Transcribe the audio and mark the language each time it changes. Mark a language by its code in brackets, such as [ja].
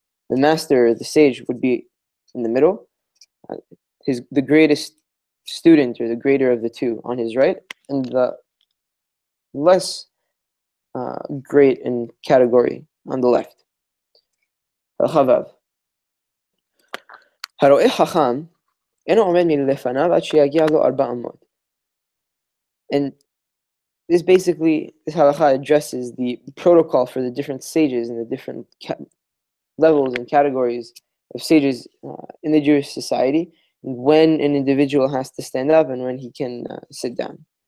[en] The master, the sage, would be in the middle. The greatest student, or the greater of the two, on his right, and the less great in category on the left. Al-Khabab. [he] הרואה חכם אינו עומד מלפניו עד שיגיע לו ארבע אמות. [en] And this basically, this halakha addresses the protocol for the different sages and the different levels and categories of sages in the Jewish society, when an individual has to stand up and when he can sit down.